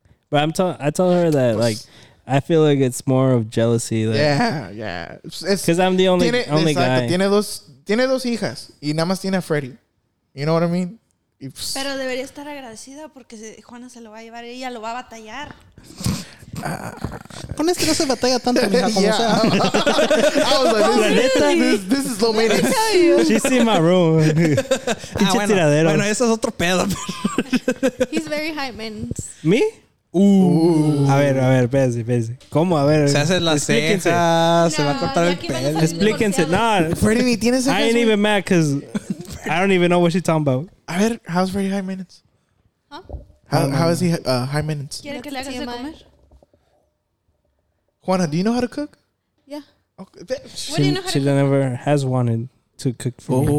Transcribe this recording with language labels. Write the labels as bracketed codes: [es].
[en] But I tell her that, like, I feel like it's more of jealousy. Like, yeah. Because I'm the only guy. [es] Tiene dos hijas y nada más tiene a Freddy. [en] You know what I mean? [es] Pero debería estar agradecida porque Juana se lo va a llevar y ella lo va a batallar. Con este no se batalla tanto, mija, como yeah. Sea. [en] I was like, this is low maintenance. She's in my room. [es] Ah, tiradero. Bueno, eso es otro pedo. [en] He's very high maintenance. ¿Me? Ooh. [es] A ver, espérense. ¿Cómo? A ver. Se hacen las cejas, se va a cortar el pelo. Explíquense, no. Freddy, ni tienes cejas. [en] I ain't even mad because I don't even know what she's talking about. [es] A ver, [en] how's Freddy high maintenance? Huh? How is he high maintenance? [es] ¿Quieren que le hagas de comer? [en] Juana, do you know how to cook? Yeah. Okay. She never has wanted to cook for me.